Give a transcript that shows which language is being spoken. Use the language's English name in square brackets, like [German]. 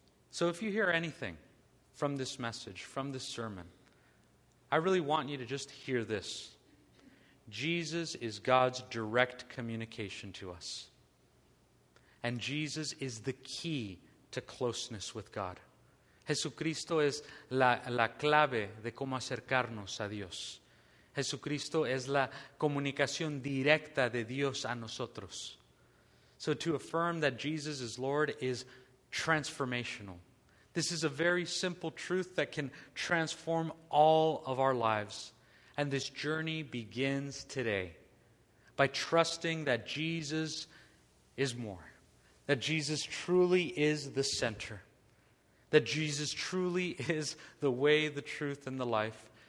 [English] So if you hear anything from this message, from this sermon, I really want you to just hear this. Jesus is God's direct communication to us. And Jesus is the key to closeness with God. [Spanish] Jesucristo es la clave de cómo acercarnos a Dios. Jesucristo es la comunicación directa de Dios a nosotros. [English] So to affirm that Jesus is Lord is transformational. This is a very simple truth that can transform all of our lives. And this journey begins today by trusting that Jesus is more, that Jesus truly is the center, that Jesus truly is the way, the truth, and the life.